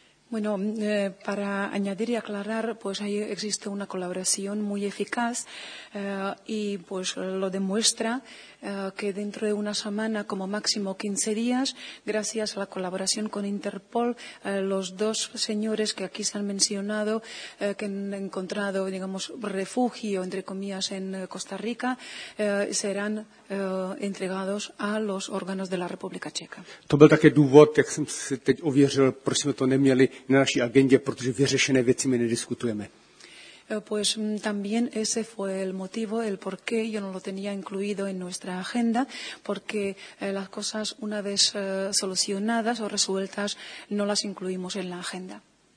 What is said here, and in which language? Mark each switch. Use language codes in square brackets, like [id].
[es] Bueno, para añadir y aclarar, pues ahí existe una colaboración muy eficaz y pues lo demuestra que dentro de una semana, como máximo 15 días, gracias a la colaboración con Interpol, los dos señores que aquí se han mencionado, que han encontrado, digamos, refugio, entre comillas, en Costa Rica, serán entregados a los órganos de la República Checa. [cs] To byl také důvod, jak jsem si teď ověřil, proč jsme to neměli na naší agendě, protože vyřešené věci my nediskutujeme. [es] Pues también ese fue el motivo, el por qué yo no lo tenía incluido en nuestra agenda, porque las cosas una vez solucionadas o resueltas no las incluimos en la agenda.